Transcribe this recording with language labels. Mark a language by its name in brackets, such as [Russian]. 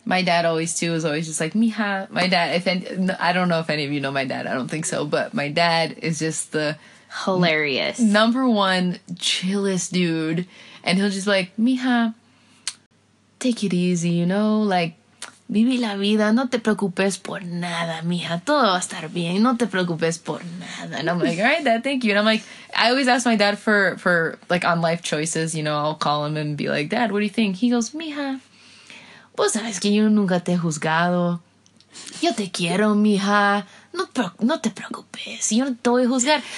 [English] my dad always too was always just like, mija. My dad, I don't know if any of you know my dad. I don't think so. But my dad is just the hilarious number one chillest dude. And he'll just be like, mija, take it easy, you know, like, [Spanish] vive la vida, no te preocupes por nada, mija, todo va a estar bien, no te preocupes por nada. [English] And I'm like, all right, dad, thank you. And I'm like, I always ask my dad for like, on life choices, you know, I'll call him and be like, dad, what do you think? He goes, mija, [Spanish] vos sabes que yo nunca te he juzgado, yo te quiero, mija, no te preocupes, yo no te voy a juzgar.